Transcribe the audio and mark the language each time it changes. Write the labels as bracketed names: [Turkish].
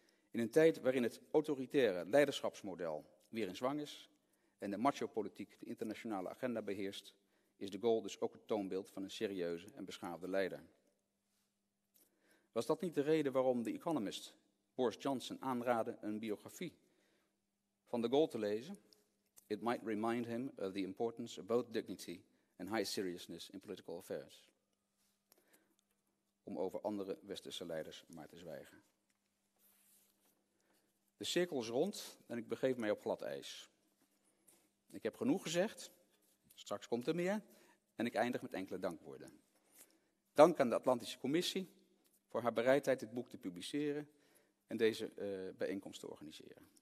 [Dutch] In een tijd waarin het autoritaire leiderschapsmodel weer in zwang is en de macho-politiek de internationale agenda beheerst, is de Gaulle dus ook het toonbeeld van een serieuze en beschaafde leider. Was dat niet de reden waarom The Economist Boris Johnson aanraadde een biografie van de Gaulle te lezen? [English] It might remind him of the importance of both dignity and high seriousness in political affairs. [Dutch] om over andere westerse leiders maar te zwijgen. De cirkel is rond en ik begeef mij op glad ijs. Ik heb genoeg gezegd, straks komt er meer, en ik eindig met enkele dankwoorden. Dank aan de Atlantische Commissie voor haar bereidheid dit boek te publiceren en deze bijeenkomst te organiseren.